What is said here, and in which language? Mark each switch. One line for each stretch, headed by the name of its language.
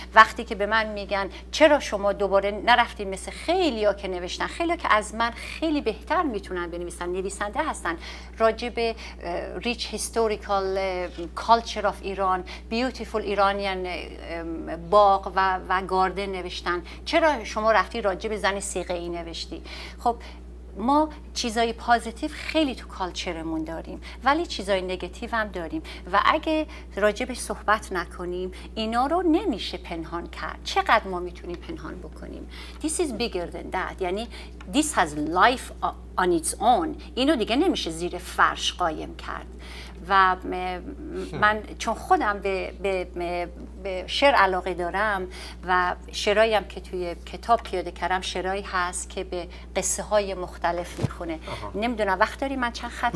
Persian: وقتی که به من میگن چرا شما دوباره نرفتین مثل خیلی ها که نوشتن، خیلی ها که از من خیلی بهتر میتونن بنویسن، نویسنده هستن، راجب
English: rich historical culture of Iran, beautiful Iranian
Persian: باغ و گاردن نوشتن، چرا شما رفتی راجب زن صیغه ای نوشتی؟ خب ما چیزای پازیتیو خیلی تو کالچرمون داریم ولی چیزای نگاتیو هم داریم و اگه راجبش صحبت نکنیم اینا رو نمیشه پنهان کرد. چقدر ما میتونیم پنهان بکنیم؟
English: This is bigger than that.
Persian: یعنی
English: this has life on its own.
Persian: اینو دیگه نمیشه زیر فرش قایم کرد. و من چون خودم به شعر علاقه دارم و شعرایی هم که توی کتاب پیاده کردم شعرایی هست که به قصه های مختلف میخونه. نمیدونم وقت داری من چند خط